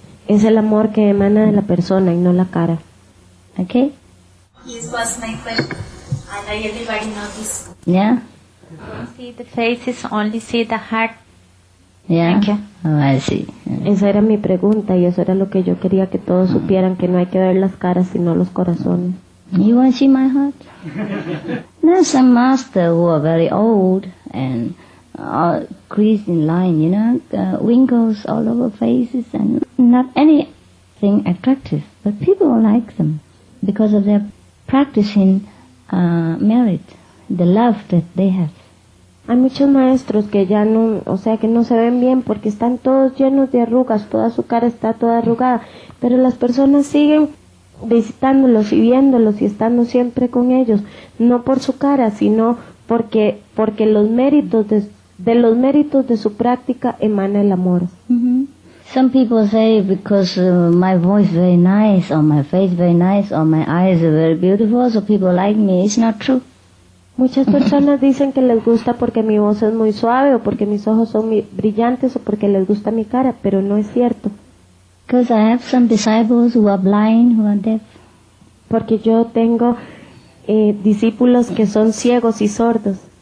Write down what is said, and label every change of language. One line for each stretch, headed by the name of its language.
Spanish: Es el amor que emana de la persona y no la cara.
English: Okay? This was my question. And I everybody know this. Yeah? See the faces, only see the heart. Yeah? Okay. Oh, I see.
Spanish: Esa era mi pregunta y eso era lo que yo quería que todos supieran, que no hay que ver las caras sino los corazones.
English: You want to see my heart? There's some master who are very old and creased in line, you know, wrinkles all over faces and not anything attractive. But people like them because of their practicing merit, the love that they have.
Spanish: Hay muchos maestros que ya no, o sea, que no se ven bien porque están todos llenos de arrugas, toda su cara está toda arrugada, pero las personas siguen visitándolos y viéndolos y estando siempre con ellos, no por su cara, sino porque los méritos de su práctica emana el amor. Mm-hmm.
English: Some people say because my voice very nice or my face very nice or my eyes are very beautiful, so people like me. It's not true.
Spanish: Muchas personas dicen que les gusta porque mi voz es muy suave o porque mis ojos son brillantes o porque les gusta mi cara, pero no es cierto.
English: Because I have some disciples who are blind, who are deaf.
Spanish: Porque yo tengo discípulos que son ciegos y sordos.